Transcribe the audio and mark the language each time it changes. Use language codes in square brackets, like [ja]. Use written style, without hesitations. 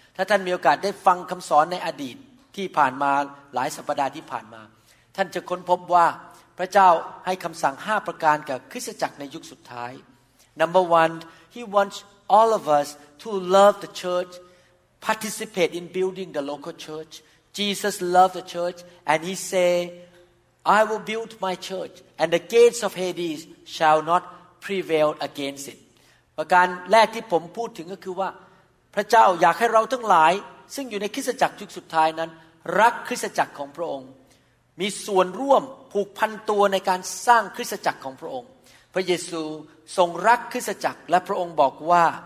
[th] ถ้าท่านมีโอกาสได้ฟังคำสอนในอดีตที่ผ่านมาหลายสัปดาห์ที่ผ่านมาท่านจะค้นพบว่าพระเจ้าให้คำสั่ง5ประการกับคริสตจักรในยุคสุดท้าย [en] Number one, He wants all of us to love the church, participate in building the local church. Jesus loved the church, and He said,I will build my church, and the gates of Hades shall not prevail against it. [th] ประการแรกที่ผมพูดถึงก็คือว่าพระเจ้าอยากให้เราทั้งหลายซึ่งอยู่ในคริสตจักรยุคสุดท้ายนั้นรักคริสตจักรของพระองค์มีส่วนร่วมผูกพันตัวในการสร้างคริสตจักรของพระองค์พระเยซูทรงรักคริสตจักรและพระองค์บอกว่า